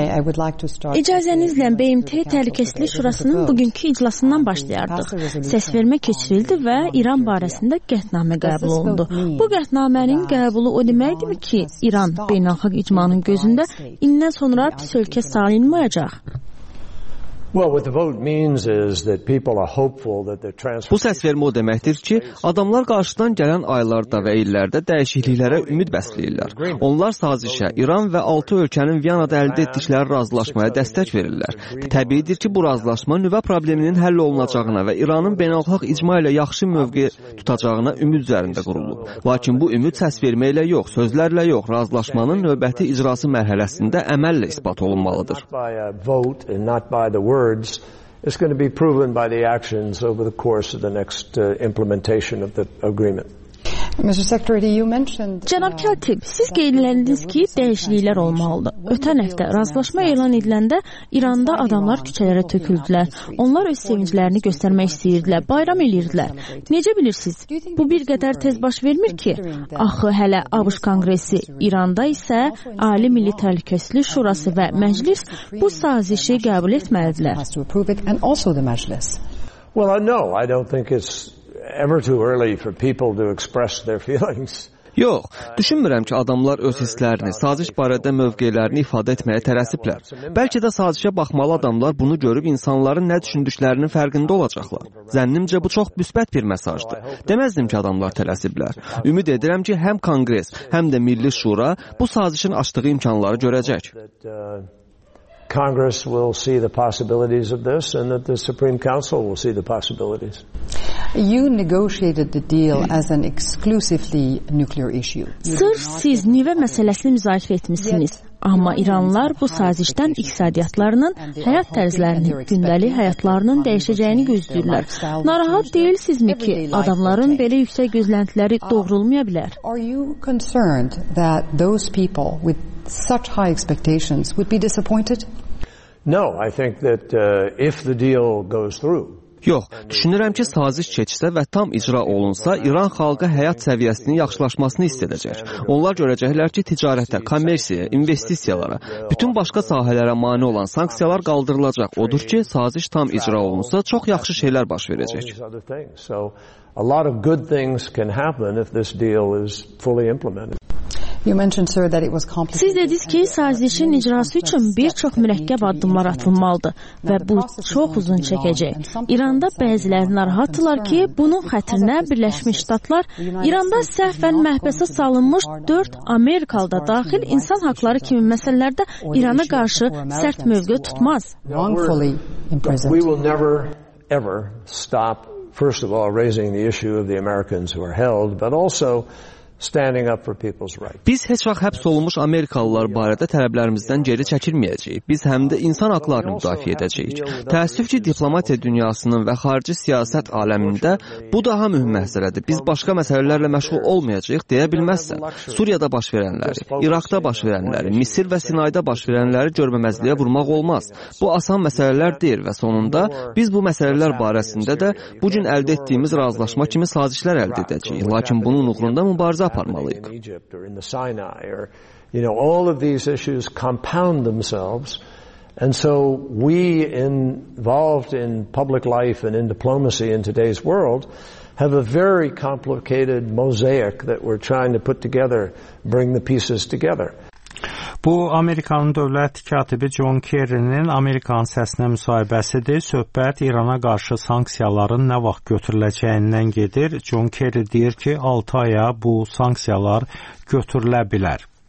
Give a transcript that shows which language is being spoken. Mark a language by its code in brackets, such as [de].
[az] İcazənizlə BMT Təhlükəsizlik Şurasının bugünkü iclasından başlayardıq. Səs vermə keçirildi və İran barəsində qətnamə qəbul olundu. Bu qətnamənin qəbulu o deməkdir ki, İran beynəlxalq icmanın gözündə indən sonra pis ölkə sayılmayacaq. [en] Well, what the vote means is that people are hopeful that the transfer. [az] Bu səs vermə o deməkdir ki, adamlar qarşıdan gələn aylarda və illərdə dəyişikliklərə ümid bəsləyirlər. Onlar sazişə İran və 6 ölkənin Viyanada əldə etdikləri razılaşmaya dəstək verirlər. Təbiidir ki, bu razılaşma nüvə probleminin həll olunacağına və İranın beynəlxalq icma ilə yaxşı mövqe tutacağına ümid üzərində qurulub. Lakin bu ümid səs vermə ilə yox, sözlərlə yox, razılaşmanın növbəti icrası mərhələsində əməllə isbat olunmalıdır. [en] Words is going to be proven by the actions over the course of the next implementation of the agreement. Mr. Secretary, you mentioned. [az] Cənab Katib, siz qeyd etdiniz ki, dəyişikliklər olmalıdır. Ötən həftə razılaşma elan ediləndə İranda adamlar küçələrə töküldülər. Onlar öz sevinclərini göstərmək istəyirdilər, bayram eləyirdilər. Necə bilirsiniz? Bu bir qədər tez baş vermir ki? Axı hələ ABŞ Konqresi, İranda isə Ali Milli Təhlükəsizlik Şurası və Məclis bu sazişi qəbul etməlidirlər. [en] Well, no, I don't think it's ever too early for people to express their feelings. [az] Yox, düşünmürəm ki, adamlar öz hisslərini, saziş barədə mövqelərini ifadə etməyə tələsiblər. Bəlkə də sazişə baxmalı adamlar bunu görüb insanların nə düşündüklərinin fərqində olacaqlar. Zənnimcə, bu çox müsbət bir mesajdır. Deməzdim ki, adamlar tələsiblər. Ümid edirəm ki, həm Konqres, həm də Milli Şura bu sazişin açdığı imkanları görəcək. [en] Congress will see the possibilities of this and that the Supreme Council will see the possibilities. You negotiated the deal as an exclusively nuclear issue. [az] Sırf siz nüvə məsələsini müzakirə etmişsiniz. Amma İranlılar bu sazişdən iqtisadiyyatlarının, həyat tərzlərinin, gündəlik həyatlarının dəyişəcəyini gözləyirlər. Narahat deyilsizmi ki, adamların belə yüksək gözləntiləri doğrulmaya bilər? [en] Are you concerned that those people with such high expectations would be disappointed? No, I think that if the deal goes through. [az] Yox, düşünürəm ki, saziş keçsə və tam icra olunsa, İran xalqı həyat səviyyəsinin yaxşılaşmasını istəyəcək. Onlar görəcəklər ki, ticarətə, kommersiyaya, investisiyalara, bütün başqa sahələrə mane olan sanksiyalar qaldırılacaq. Odur ki, saziş tam icra olunsa, çox yaxşı şeylər baş verəcək. [en] A lot of good things can happen if this deal is fully implemented. You mentioned, sir, that it was complicated. [az] Siz dediniz ki, sazişin icrası üçün bir çox mürəkkəb addımlar atılmalıdır və bu çox uzun çəkəcək. İranda bəziləri narahatdırlar ki, bunun xətrinə Birləşmiş Ştatlar İranda səhvən məhbəsə salınmış 4 Amerikalı da daxil insan haqları kimi məsələlərdə İrana qarşı sərt mövqe tutmaz. [en] We will never ever stop first of all raising the issue of the Americans who are held, but also standing up for people's rights. [az] Biz heç vaxt həbs olunmuş Amerikalılar barədə tələblərimizdən geri çəkilməyəcəyik. Biz həm də insan haqlarını müdafiə edəcəyik. Təəssüf ki, diplomatiya dünyasının və xarici siyasət aləmində bu daha mühüm məsələdir. Biz başqa məsələlərlə məşğul olmayacağıq deyə bilməzsən. Suriyada baş verənləri, İraqda baş verənləri, Misir və Sinayda baş verənləri görməməzliyə vurmaq olmaz. Bu asan məsələlər deyil və sonunda biz bu məsələlər barəsində də bu gün əldə etdiyimiz razılaşma kimi sazişlər əldə edəcəyik. Lakin bunun uğrunda mübarizə aparmalıyıq. [en] You know, all of these issues compound themselves, and so we involved in public life and in diplomacy in today's world have a very complicated mosaic that we're trying to put together, bring the pieces together. [az] Bu, Amerikanın dövlət katibi John Kerry'nin Amerikanın səsinə müsahibəsidir. Söhbət İrana qarşı sanksiyaların nə vaxt götürüləcəyindən gedir. John Kerry deyir ki, 6 aya bu sanksiyalar götürülə bilər.